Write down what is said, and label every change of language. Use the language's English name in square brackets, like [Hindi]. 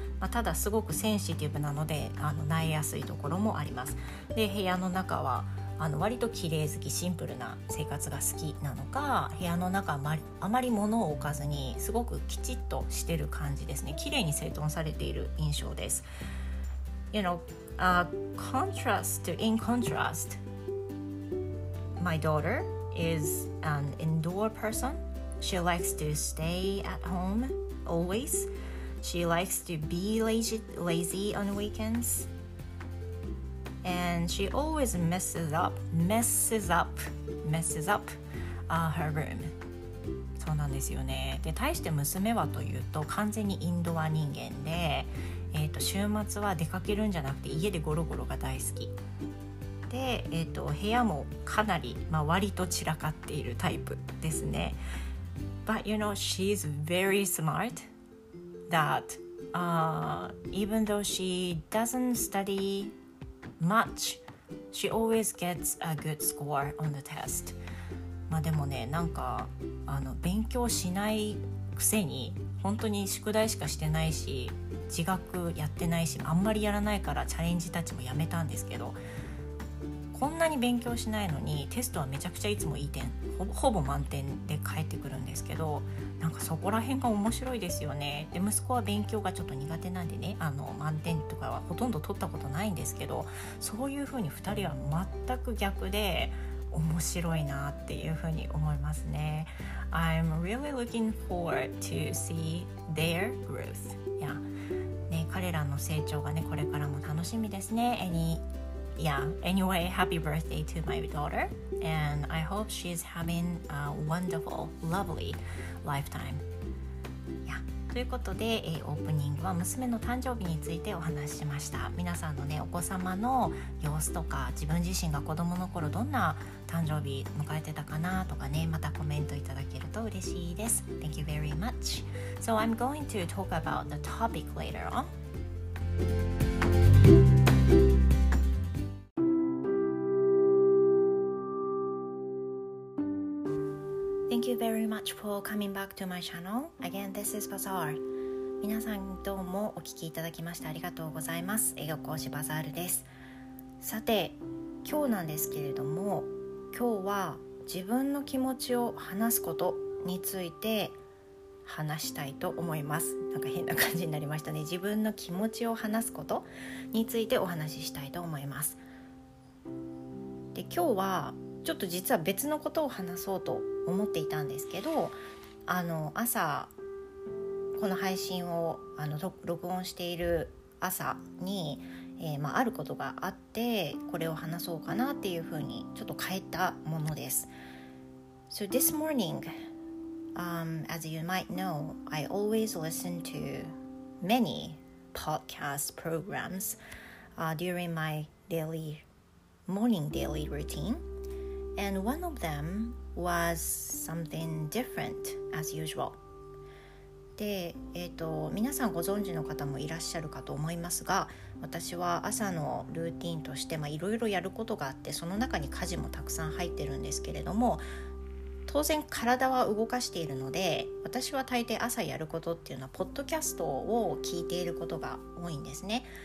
[Japanese] まあ、ただすごくセンシティブなので、なえやすいところもあります。で、部屋の中は割と綺麗好き、シンプルな生活が好きなのか、部屋の中あまり物を置かずにすごくきちっとしてる感じですね。綺麗に整頓されている印象です。 [English] You know, in contrast, my daughter is an indoor person. She likes to stay at home always. She likes to be lazy on weekendsAnd she always messes up、her room. [Japanese] そうなんですよね。で、対して娘はというと、完全にインドア人間で、週末は出かけるんじゃなくて家でゴロゴロが大好き。で、部屋もかなり、割と散らかっているタイプですね。 [English] But you know, she's very smart that, even though she doesn't studyMuch. She always gets a good score on the test. [Japanese] まあでもね、なんか勉強しないくせに、本当に宿題しかしてないし、自学やってないし、あんまりやらないからチャレンジたちもやめたんですけど、こんなに勉強しないのにテストはめちゃくちゃいつもいい点、ほぼ満点で返ってくるんですけど、なんかそこら辺が面白いですよね。で、息子は勉強がちょっと苦手なんでね、満点とかはほとんど取ったことないんですけど、そういう風に2人は全く逆で面白いなっていう風に思いますね。 [English] I'm really looking forward to see their growth. Yeah. [Japanese] ね、彼らの成長がね、これからも楽しみですね。 [English] Anyway, happy birthday to my daughter, and I hope she's having a wonderful, lovely lifetime. Yeah. [Japanese] ということで、オープニングは娘の誕生日についてお話ししました。皆さんのね、お子様の様子とか、自分自身が子供の頃どんな誕生日迎えてたかなとかね、またコメントいただけると嬉しいです。 [English] Thank you very much. So I'm going to talk about the topic later on. Thank you very much for coming back to my channel. Again, this is Bazaar. [Japanese] 皆さんどうもお聞きいただきましてありがとうございます。英語講師バザールです。さて、今日なんですけれども、今日は自分の気持ちを話すことについて話したいと思います。なんか変な感じになりましたね。自分の気持ちを話すことについてお話ししたいと思います。で、今日はちょっと実は別のことを話そうと思っていたんですけど、朝この配信を録音している朝に、あることがあって、これを話そうかなっていうふうにちょっと変えたものです。 [English] So this morning, as you might know, I always listen to many podcast programs, during my morning daily routineAnd one of them was something different as usual. [Japanese] で、皆さんご存知の方もいらっしゃるかと思いますが、私は朝のルーティーンとしていろいろやることがあって、その中に家事もたくさん入ってるんですけれども、当然体は動かしているので、私は大抵朝やることっていうのはポッドキャストを聞いていることが多いんですね。